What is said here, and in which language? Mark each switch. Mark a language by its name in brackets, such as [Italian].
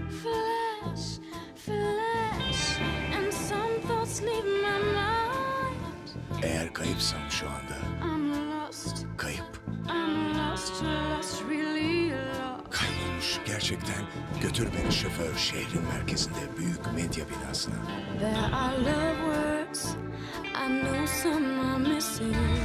[English] Flash, flash, and some thoughts leave my mind. [Turkish] Eğer kayıpsam şu anda. [English] I'm lost. [Turkish] Kayıp. [English] I'm lost, lost, really lost. [Turkish] Kaybolmuş gerçekten. Götür beni şoför şehrin merkezinde büyük medya binasına. [English] There are love words I know some are missing.